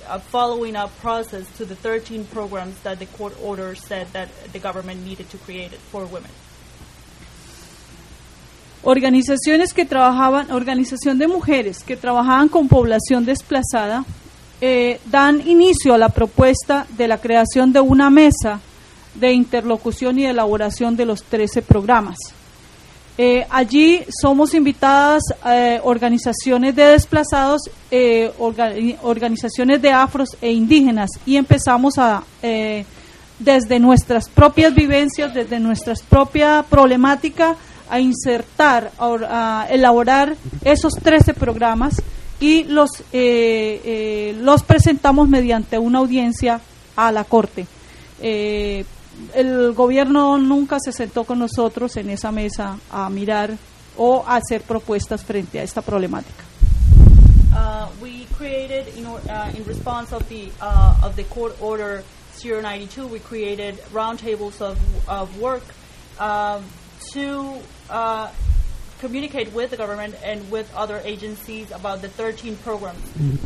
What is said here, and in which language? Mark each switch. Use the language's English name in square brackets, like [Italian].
[English] following up process to the 13 programs that the court order said that the government needed to create for women. [Spanish] Organizaciones que trabajaban, organización de mujeres que trabajaban con población desplazada, dan inicio a la propuesta de la creación de una mesa de interlocución y elaboración de los 13 programas. Allí somos invitadas organizaciones de desplazados, organizaciones de afros e indígenas, y empezamos a desde nuestras propias vivencias, desde nuestra propia problemática, a insertar, a elaborar esos 13 programas, y los presentamos mediante una audiencia a la Corte. El gobierno nunca se sentó con nosotros en esa mesa a mirar o a hacer propuestas frente a esta problemática. [English] We created, in response of the court order 092, we created roundtables of work to communicate with the government and with other agencies about the 13 programs. Mm-hmm.